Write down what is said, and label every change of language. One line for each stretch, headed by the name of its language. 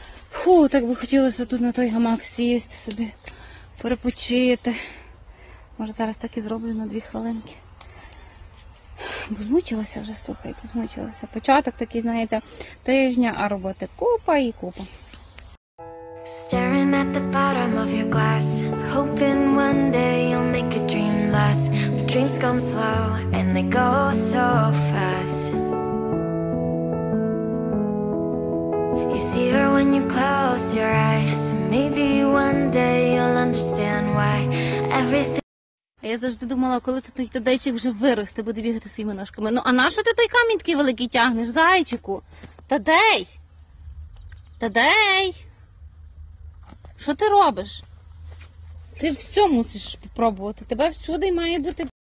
Ukrainian: Фу, так би хотілося тут на той гамак сісти собі, перепочити. Може, зараз так і зроблю на 2 хвилинки. Бо змучилася вже, слухайте, змучилася. Початок такий, знаєте, тижня, а роботи купа і купа.
English: Staring at the bottom of your glass, hoping one day you'll make a dream last. But dreams come slow and they go so fast. You see her when you close your eyes. Maybe one day you'll understand why everything.
Ukrainian: Я завжди думала, коли ти той тадечик вже виросте, буде бігати своїми ножками. Ну, а на що ти той камінь такий великий тягнеш, зайчику? Тадей! Тадей! Що ти робиш? Ти все мусиш спробувати, тебе всюди має бути.